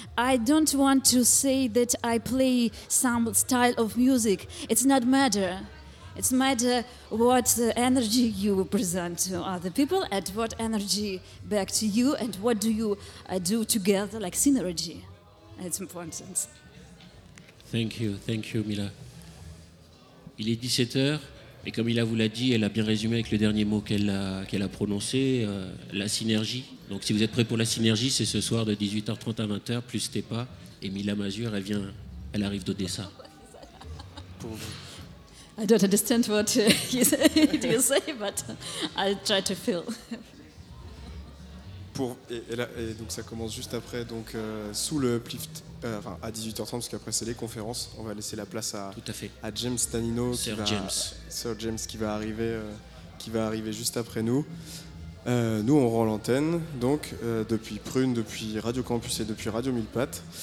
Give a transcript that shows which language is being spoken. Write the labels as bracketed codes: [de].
[en] I don't want to say that I play some style of music. It's not matter. It's matter what energy you present to other people and what energy back to you, and what do you do together, like synergy. It's important. Thank you, Mila. [fr] Il est 17h, et comme Mila vous l'a dit, elle a bien résumé avec le dernier mot qu'elle a prononcé, la synergie. Donc si vous êtes prêts pour la synergie, c'est ce soir de 18h30 à 20h, plus TEPA, et Mila Mazur, elle arrive d'Odessa. Pour vous. [en] I don't understand what you say, but I'll try to feel. [fr] Et donc ça commence juste après, donc sous le uplift, à 18h30, parce qu'après c'est les conférences. On va laisser la place à James Tanino, Sir James, qui va arriver juste après nous. Nous on rend l'antenne, donc depuis Prune, depuis Radio Campus et depuis Radio Mille Pattes.